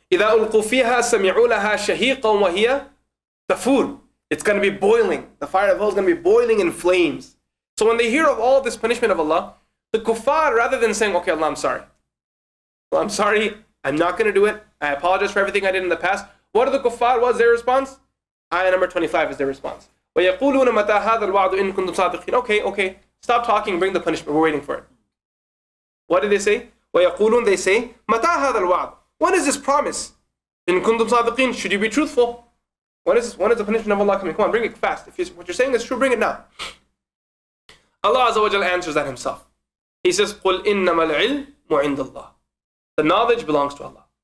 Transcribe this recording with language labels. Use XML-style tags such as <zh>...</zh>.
<ar>إِذَا أُلْقُوا فِيهَا سَمِعُوا لَهَا شَهِيقًا وَهِيَ تَفُورٌ</ar> <en>It's going to be boiling. The fire of hell is going to be boiling in flames. So when they hear of all this punishment of Allah, the kuffar, rather than saying, okay, Allah, I'm sorry. Allah, I'm sorry. I'm not going to do it. I apologize for everything I did in the past. What are the kuffar? What's their response? Ayah number 25 is their response.</en> <ar>وَيَقُولُونَ مَتَى هَذَا الْوَعْدُ إِن كُنْتُمْ صَادِقِينَ Okay.</ar> <en>Stop talking. Bring the punishment. We're waiting for it. What did they say?</en> <ar>وَيَقُولُونَ</ar> <en>They say,</en> <ar>مَتَى هَذَا الْوَعْدُ</ar> <en>When is this promise?</en> <ar>In kuntum sadiqeen,</ar> <en>should you be truthful? When is this? When is the punishment of Allah coming? Come on, bring it fast. If what you're saying is true, bring it now. Allah Azza wa Jalla answers that himself. He says,</en> <ar>قُلْ إِنَّمَا الْعِلْمُ عِنْدَ اللَّهِ</ar> <en>The knowledge belongs to Allah.</en>